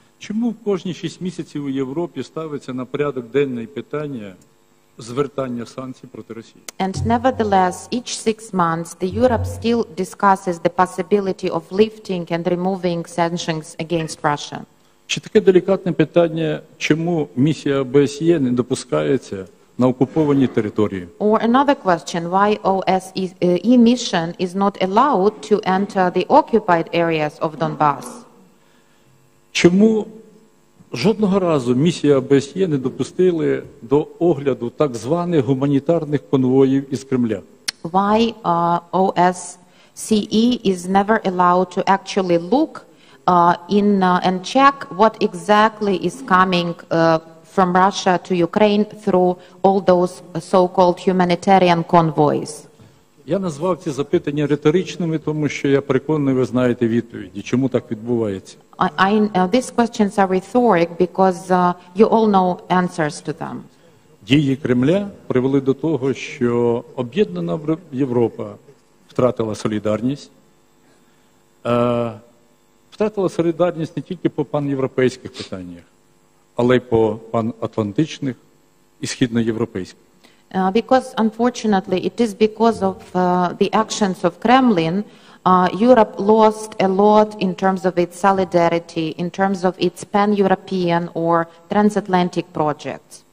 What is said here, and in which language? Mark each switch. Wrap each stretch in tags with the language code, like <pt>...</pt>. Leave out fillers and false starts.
<uk>Чому в кожні 6 місяців у Європі ставиться на порядок денний питання звертання санкцій проти Росії?</uk> <en>And nevertheless, each 6 months, the Europe still discusses the possibility of lifting and removing sanctions against Russia.</en> <uk>Чи таке делікатне питання, чому місія ОБСЄ не допускається на окупованій території?</uk> <en>Or another question, why OSCE mission is not allowed to enter the occupied areas of Donbas?</en> <uk>Чому жодного разу місія ОБСЄ не допустили до огляду так званих гуманітарних конвоїв із Кремля?</uk> <en>Why OSCE is never allowed to actually look and check what exactly is coming from Russia to Ukraine through all those so-called humanitarian convoys?</en> <uk>Я назвав ці запитання риторичними, тому що я переконаний, ви знаєте відповіді, чому так відбувається.</uk> <en>These questions are rhetoric because you all know answers to them.</en> <uk>Дії Кремля привели до того, що об'єднана Європа втратила солідарність, втратила солідарність не тільки по пан-європейських питаннях, але й по пан-атлантичних і східноєвропейських.</uk> <en>Because unfortunately it is because of the actions of Kremlin, Europe lost a lot in terms of its solidarity, in terms of its pan-European or transatlantic projects.</en>